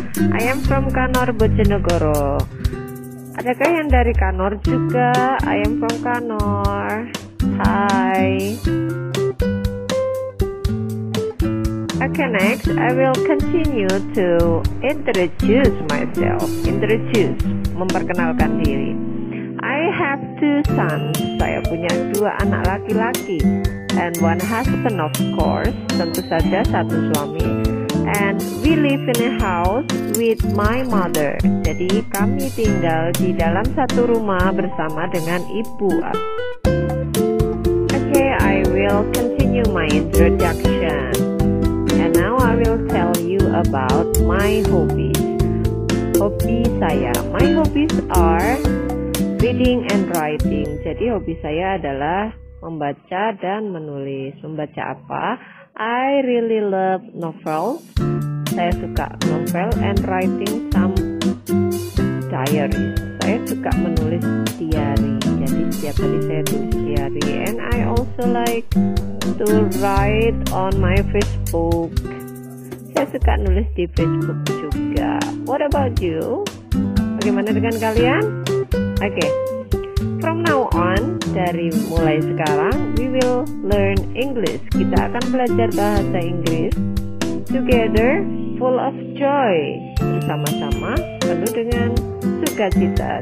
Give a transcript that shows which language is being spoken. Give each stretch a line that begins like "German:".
English: I am from Kanor, Bojonegoro.
Indonesian: Adakah yang dari Kanor juga?
English: I am from Kanor. Hi. Okay, next I will continue to introduce myself. Introduce,
Indonesian: memperkenalkan diri.
English: I have two sons.
Indonesian: Saya punya dua anak laki-laki.
English: And one husband, of course.
Indonesian: Tentu saja satu suami.
English: And we live in a house with my mother.
Indonesian: Jadi kami tinggal di dalam satu rumah bersama dengan ibu.
English: Okay, I will continue my introduction. And now I will tell you about my hobbies.
Indonesian: Hobi saya.
English: My hobbies are reading and writing.
Indonesian: Jadi hobi saya adalah membaca dan menulis. Membaca apa?
English: I really love novels.
Indonesian: Saya suka novel
English: and writing some diaries.
Indonesian: Saya suka menulis diary. Jadi setiap hari saya tulis diary.
English: And I also like to write on my Facebook.
Indonesian: Saya suka nulis di Facebook juga.
English: What about you?
Indonesian: Bagaimana dengan kalian?
English: Okay, from now on,
Indonesian: dari mulai sekarang,
English: we will learn English.
Indonesian: Kita akan belajar bahasa Inggris
English: together, full of joy,
Indonesian: bersama-sama, penuh dengan sukacita.